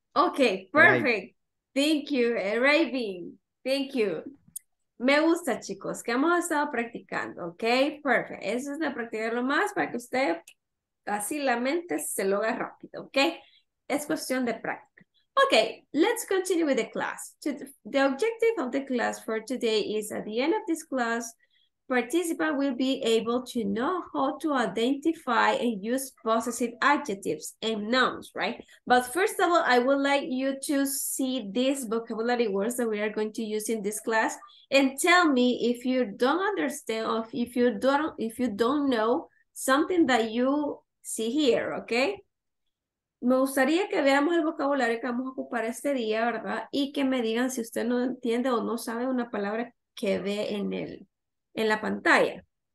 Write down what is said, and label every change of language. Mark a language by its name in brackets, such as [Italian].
[English] Okay, perfect. Arabi. Thank you, Arabi. Thank you. [Spanish] Me gusta, chicos, que hemos estado practicando, ¿ok? Perfect. Eso es de practicarlo más para que usted así la mente se lo haga rápido, ¿ok? Es cuestión de práctica. [English] Ok, let's continue with the class. The objective of the class for today is at the end of this class, participant will be able to know how to identify and use possessive adjectives and nouns, right? But first of all, I would like you to see these vocabulary words that we are going to use in this class and tell me if you don't understand or if you don't know something that you see here, okay? [Spanish] Me gustaría que veamos el vocabulario que vamos a ocupar este día, ¿verdad? Y que me digan si usted no entiende o no sabe una palabra que ve en él. En la pantalla.